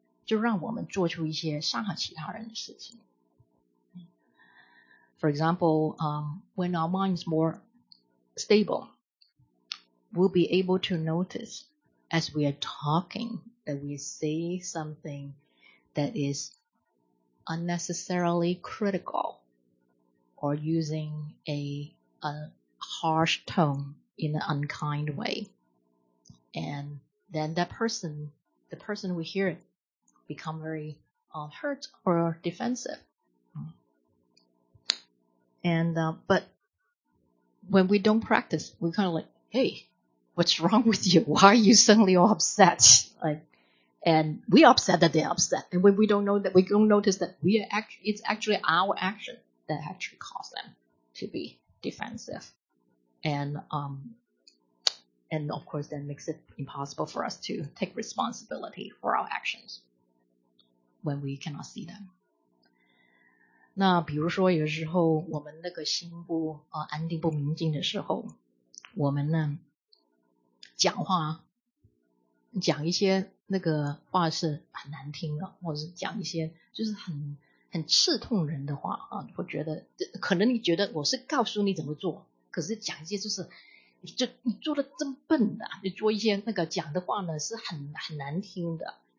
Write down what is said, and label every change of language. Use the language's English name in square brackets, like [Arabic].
[Chinese] 就让我们做出一些伤害其他人的事情。 [English] For example, when our mind is more stable, we'll be able to notice as we are talking that we say something that is unnecessarily critical or using a harsh tone in an unkind way. And then the person we hear it become very hurt or defensive. But when we don't practice, we're kind of like, hey, what's wrong with you? Why are you suddenly all upset? Like, and we're upset that they're upset. And when we don't know that, we don't notice that we are it's actually our action that actually caused them to be defensive. And of course, that makes it impossible for us to take responsibility for our actions when we cannot see them. [Chinese] 那比如说，有时候我们那个心不安定、不明静的时候，我们呢讲话讲一些那个话是很难听的，或者是讲一些就是很刺痛人的话啊，会觉得可能你觉得我是告诉你怎么做，可是讲一些就是你做的真笨的，你做一些那个讲的话呢是很难听的。